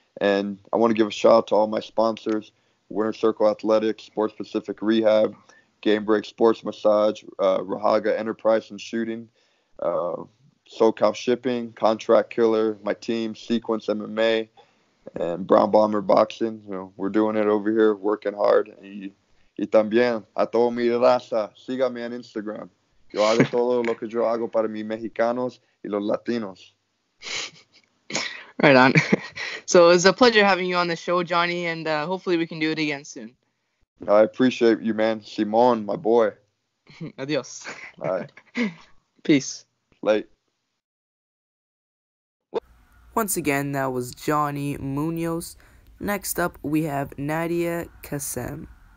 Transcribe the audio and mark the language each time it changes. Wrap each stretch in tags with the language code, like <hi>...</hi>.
<en>And I want to give a shout out to all my sponsors, Winter Circle Athletics, Sports Pacific Rehab, Game Break Sports Massage, Rahaga Enterprise and Shooting, SoCal Shipping, Contract Killer, my team, Sequence MMA, and Brown Bomber Boxing. You know, we're doing it over here, working hard.</en> <es>Y también, a todo mi raza, sígame</es> <en>on Instagram.</en> <es>Yo hago todo lo que yo hago para mis mexicanos y los latinos.</es> <en>Right on. So it was a pleasure having you on the show, Johnny, and hopefully we can do it again soon. I appreciate you, man. Simon, my boy. Adios. All right. Peace. Late. Once again, that was Johnny Munoz. Next up, we have Nadia Kassem.</en>